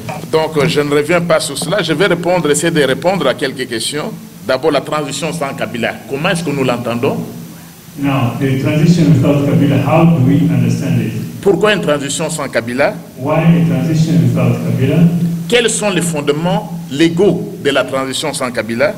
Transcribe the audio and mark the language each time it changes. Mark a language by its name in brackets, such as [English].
[French] Donc, je ne reviens pas sur cela. Je vais répondre, essayer de répondre à quelques questions. D'abord, la transition sans Kabila. Comment est-ce que nous l'entendons? [English] Now, the transition without Kabila, how do we understand it? [French] Pourquoi une transition sans Kabila? [English] Why a transition without Kabila? [French] Quels sont les fondements légaux de la transition sans Kabila?